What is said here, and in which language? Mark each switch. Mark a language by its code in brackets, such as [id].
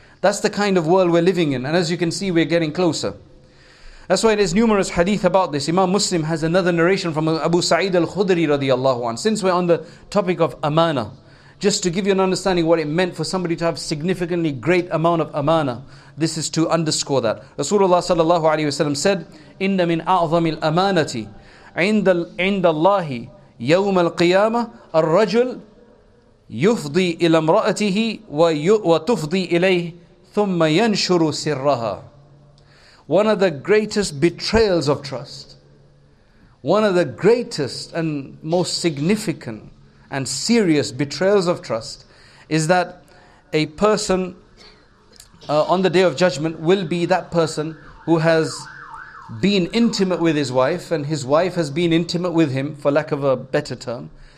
[en] That's the kind of world we're living in. And as you can see, we're getting closer. That's why there's numerous hadith about this. Imam Muslim has another narration from Abu Sa'id al-Khudri radiallahu anhu. Since we're on the topic of amana, just to give you an understanding of what it meant for somebody to have significantly great amount of amana, this is to underscore that. Rasulullah sallallahu alayhi wa sallam said, [ar] إِنَّ مِنْ أَعْظَمِ الْأَمَانَةِ عِنْدَ اللَّهِ يَوْمَ الْقِيَامَةِ الرَّجُلْ يفضي إلى امرأته وتفضي إليه ثم ينشر سرها. [en] One of the greatest betrayals of trust. One of the greatest and most significant and serious betrayals of trust is that a person on the Day of Judgment will be that person who has been intimate with his wife and his wife has been intimate with him, for lack of a better term.